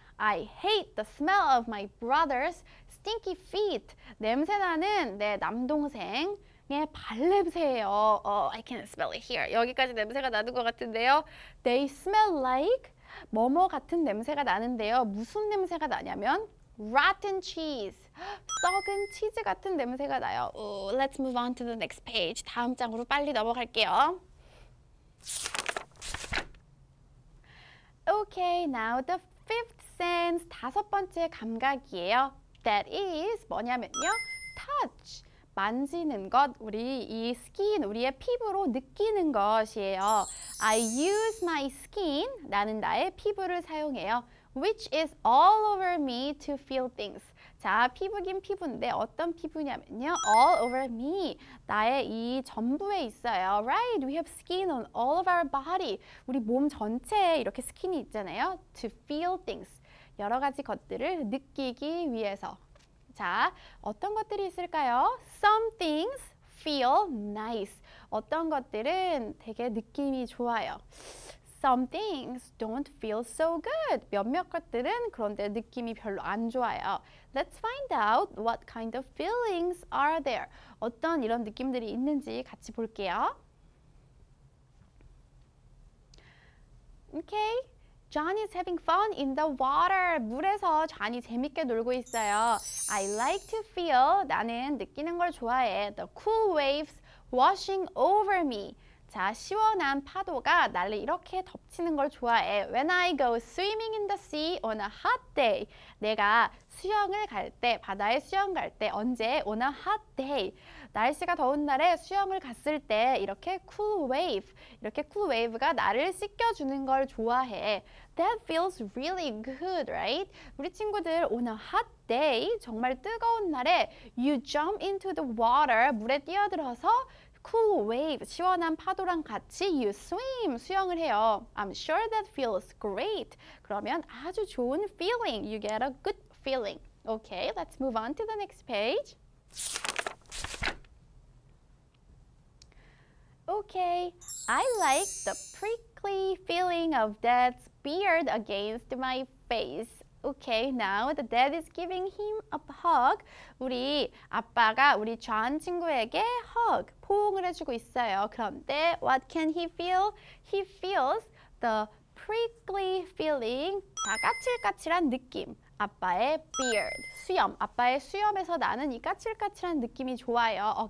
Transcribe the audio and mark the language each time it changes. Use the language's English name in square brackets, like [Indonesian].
[English] I hate the smell of my brother's stinky feet. [Korean] 냄새 나는 내 남동생의 발냄새예요. [English] Oh, I can smell it here. [Korean] 여기까지 냄새가 나는 것 같은데요. [English] They smell like [Korean] 뭐뭐 같은 냄새가 나는데요. 무슨 냄새가 나냐면 [English] rotten cheese. [Korean] 썩은 치즈 같은 냄새가 나요. [English] Ooh, let's move on to the next page. [Korean] 다음 장으로 빨리 넘어갈게요. [English] Okay, now the fifth sense. [Korean] 다섯 번째 감각이에요. [English] That is [Korean] 뭐냐면요. Touch. 만지는 것. 우리 이 skin, 우리의 피부로 느끼는 것이에요. [English] I use my skin. [Korean] 나는 나의 피부를 사용해요. [English] Which is all over me to feel things. [Korean] 자, 피부긴 피부인데 어떤 피부냐면요. [English] All over me. [Korean] 나의 이 전부에 있어요. Right? [English] We have skin on all of our body. [Korean] 우리 몸 전체에 이렇게 스킨이 있잖아요. [English] To feel things. [Korean] 여러 가지 것들을 느끼기 위해서. 자, 어떤 것들이 있을까요? [English] Some things feel nice. [Korean] 어떤 것들은 되게 느낌이 좋아요. [English] Some things don't feel so good. [Korean] 몇몇 것들은 그런데 느낌이 별로 안 좋아요. [English] Let's find out what kind of feelings are there. [Korean] 어떤 이런 느낌들이 있는지 같이 볼게요. [English] Okay, John is having fun in the water. [Korean] 물에서 존이 재밌게 놀고 있어요. [English] I like to feel, [Korean] 나는 느끼는 걸 좋아해. [English] The cool waves washing over me. [Korean] 자, 시원한 파도가 나를 이렇게 덮치는 걸 좋아해. [English] When I go swimming in the sea on a hot day. [Korean] 내가 수영을 갈 때, 바다에 수영 갈 때 언제? [English] On a hot day. [Korean] 날씨가 더운 날에 수영을 갔을 때 이렇게 cool wave. 이렇게 cool wave가 나를 씻겨주는 걸 좋아해. [English] That feels really good, right? [Korean] 우리 친구들 [English] on a hot day, [Korean] 정말 뜨거운 날에 [English] you jump into the water, [Korean] 물에 뛰어들어서 [English] cool wave, [Korean] 시원한 파도랑 같이 [English] you swim, [Korean] 수영을 해요. [English] I'm sure that feels great. [Korean] 그러면 아주 좋은 [English] feeling. You get a good feeling. Okay, let's move on to the next page. Okay, I like the prickly feeling of dad's beard against my face. Okay, now the dad is giving him a hug. [Korean] 우리 아빠가 우리 존 친구에게 hug, 포옹을 해주고 있어요. 그런데 [English] what can he feel? He feels the prickly feeling. [Korean] 자, 까칠까칠한 느낌. 아빠의 beard, 수염. 아빠의 수염에서 나는 이 까칠까칠한 느낌이 좋아요.